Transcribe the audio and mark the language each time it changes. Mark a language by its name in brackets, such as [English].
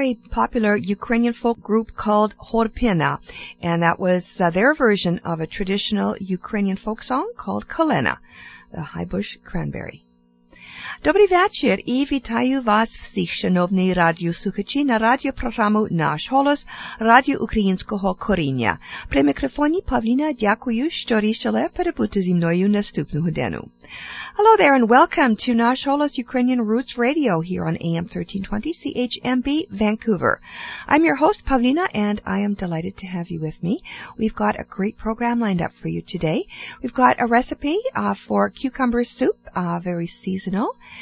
[English] popular Ukrainian folk group called Horpina, and that was their version of a traditional Ukrainian folk song called Kalena, the highbush cranberry. [Ukrainian] Добрий вечір і вітаю вас всіх, шановні радіослухачі, на радіопрограму «Наш голос» Радіо Українського коріння. При мікрофоні Павліна, дякую, що рішили перебути зі мною наступну годину. [English] Hello there and welcome to «Наш голос» Ukrainian Roots Radio here on AM 1320 CHMB Vancouver. I'm your host Павліна and I am delighted to have you with me. We've got a great program lined up for you today. We've got a recipe for cucumber soup, very seasonal.